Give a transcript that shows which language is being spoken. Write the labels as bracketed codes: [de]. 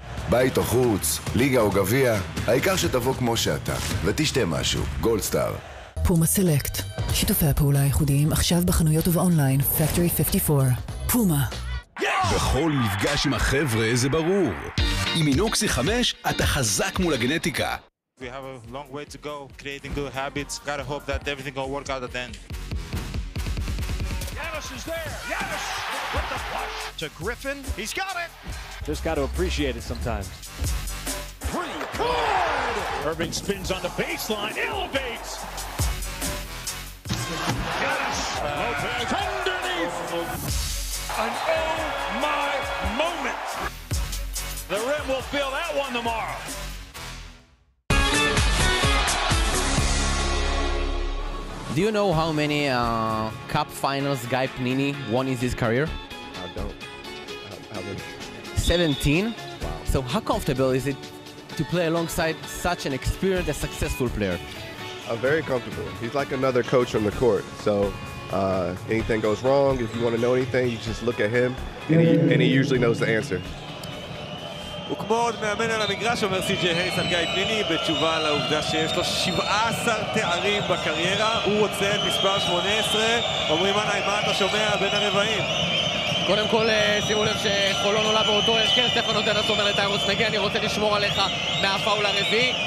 [he] בית או חוץ, ליגה או גביע, העיקר שתבוא כמו שאתה, ותשתה משהו, גולדסטאר. פומה סלקט, שיתופי הפעולה הייחודיים, עכשיו בחנויות ובאונליין, פקטורי 54. פומה. בכל מפגש עם החבר'ה זה ברור. עם אינוקסי 5, אתה חזק מול הגנטיקה. [en] We have a long way to go, creating good habits. Gotta hope that everything will work out at the end. Yannis is there! Yannis! What the fuck? To Griffin. He's got it! Just got to appreciate it sometimes. Three! Good! Irving spins on the baseline. Elevates! Yannis! Lopez! Underneath! An oh my moment! The rim will feel that one tomorrow. Do you know how many cup finals Guy Pnini won in his career? I don't. How many? 17. Wow. So how comfortable is it to play alongside such an experienced and successful player? Very comfortable. He's like another coach on the court. So anything goes wrong, if you want to know anything, you just look at him. And he usually knows the answer. [he] וכמו עוד מאמן על המגרש, אומר סי-ג'י הייס על גיא פניני, בתשובה על העובדה שיש לו 17 תארים בקריירה, הוא רוצה את מספר 18. אומרים עניי, מה אתה שומע בין הרבעים? קודם כל, שימו לב שחולון עולה באותו הרכב, סטפן אודדס אומר לטיירוס מגיע, אני רוצה לשמור עליך מהפאול הרביעי.